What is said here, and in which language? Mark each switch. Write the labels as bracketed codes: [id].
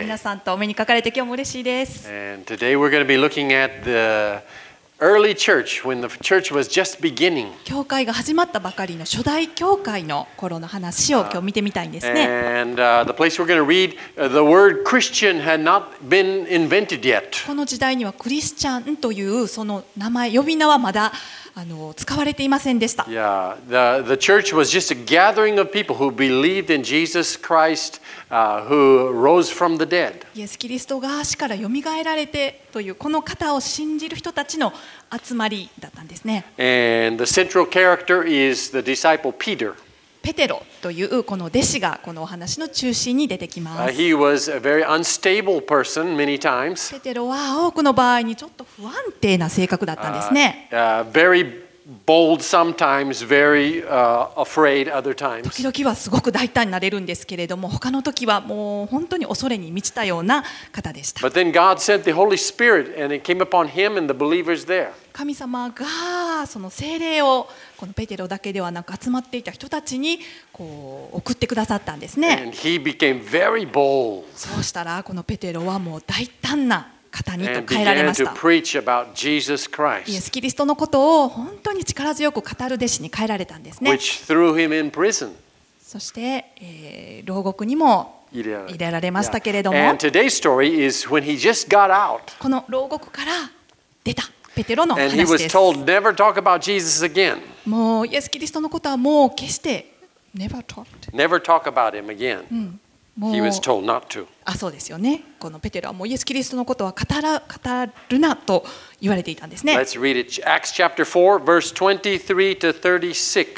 [ja] 皆さんとお目にかかれて今日も嬉しいです。 [en] And today we're going to be looking at the early church when the church was just beginning. [ja] 教会が始まったばかりの初代教会の頃の話を今日見てみたいんですね。 [en] The place we're going to read, the word Christian had not been invented yet. [ja] この時代にはクリスチャンというその名前呼び名はまだ使われていませんでした。 [en] Yeah, the church was just a gathering of people who believed in Jesus Christ, who rose from the dead. [ja] イエス・キリストが死から蘇られてというこの方を信じる人たちの集まりだったんですね。 [en] And the central character is the disciple Peter. [ja] ペテロというこの弟子がこのお話の中心に出てきます。 [en] He was a very unstable person many times. [ja] ペテロは多くの場合にちょっと不安定な性格だったんですね。 [en] Very bold sometimes, very afraid other times. [ja] 時々はすごく大胆になれるんですけれども、他の時はもう本当に恐れに満ちたような方でした。 [en] But then God sent the Holy Spirit, and it came upon him and the believers there. [ja] 神様がその聖霊をこのペテロだけではなく集まっていた人たちにこう送ってくださったんですね。 [en] And he became very bold. [ja] そうしたらこのペテロはもう大胆な方にと変えられました。イエス・キリストのことを本当に力強く語る弟子に変えられたんですね。 [en] Which threw him in prison. [ja] そして、牢獄にも入れられましたけれども、 [en] And today's story is when he just got out. [ja] この牢獄から出たペテロの話 [en] です。And he was told never talk about Jesus again. [ja] もうイエス・キリストのことはもう決して [en] never talk about him again. He was told not to. [ja] あ、そうですよね。このペテロはもうイエス・キリストのことは語るなと言われていたんですね。 [en] Let's read it. Acts chapter 4, verse 23 to 36.